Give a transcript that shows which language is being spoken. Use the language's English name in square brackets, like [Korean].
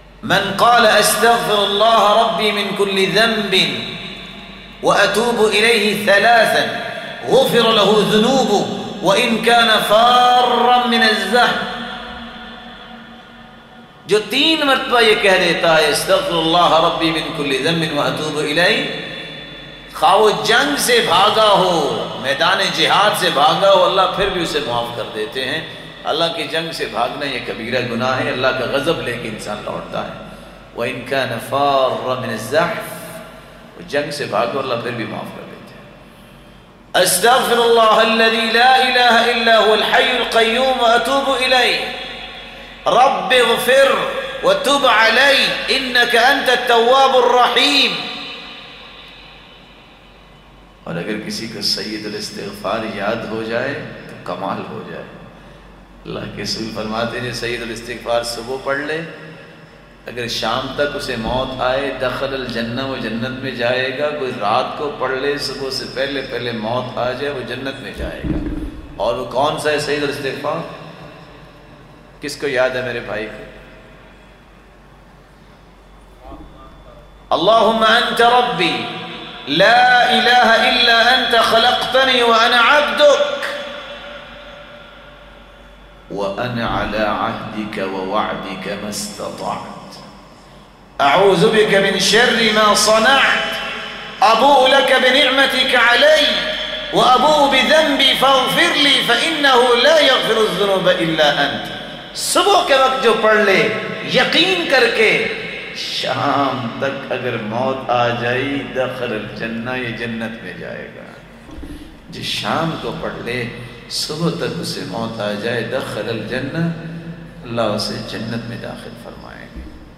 [Arabic] من قال استغفر الله ربي من كل ذنب واتوب اليه ثلاثا غفر له ذنوبه وان كان فارا من الزحف. [Urdu] جو تین مرتبہ یہ کہہ دیتا ہے [Arabic] استغفر الله ربي من كل ذنب واتوب اليه، [Urdu] خواہ جنگ سے بھاگا ہو میدان جہاد سے بھاگا ہو اللہ پھر بھی اسے معاف کر دیتے ہیں. اللہ کی جنگ سے بھاگنا یہ کبیرہ گناہ ہے، اللہ کا غضب لے کے انسان لوٹتا ہے. [Arabic] وَإِن كَانَ فَارًّا مِنَ الزَّحْفِ، [Urdu] جنگ سے بھاگو اللہ پھر بھی معاف کر دیتے ہیں. [Arabic] استغفر اللہ الذي لا الہ الا هو الحي القيوم واتوب الیہ، رب اغفر وتب علی انك انت التواب الرحیم. [Urdu] اور اگر کسی کو سید الاستغفار یاد ہو جائے تو کمال ہو جائے. اللہ کے رسول فرماتے ہیں سید الاستغفار صبح پڑھ لے، اگر شام تک اسے موت آئے [Arabic] دخل الجنہ، [Urdu] وہ جنت میں جائے گا. کوئی رات کو پڑھ لے صبح سے پہلے پہلے موت آ جائے وہ جنت میں جائے گا. اور وہ کون سا ہے سید الاستغفار؟ کس کو یاد ہے میرے بھائی کو؟ [Arabic] اللہم انت ربی لا الہ الا انت خلقتنی وانا عبدک وانا على عهدك ووعدك ما استطعت اعوذ بك من شر ما صنعت ابوء لك بنعمتك علي وابوء بذنبي فاغفر لي فانه لا يغفر الذنوب الا انت. [Urdu] صبح کے وقت جو پڑھ لے یقین کر کے شام تک اگر موت آ جائی [Arabic] دخل الجنہ، [Urdu] یہ جنت میں جائے گا. جس شام کو پڑھ لے صبح تک اسے موت آ جائے [Arabic] دخل الجنہ، [Urdu] اللہ اسے جنت میں داخل فرمائیں گے.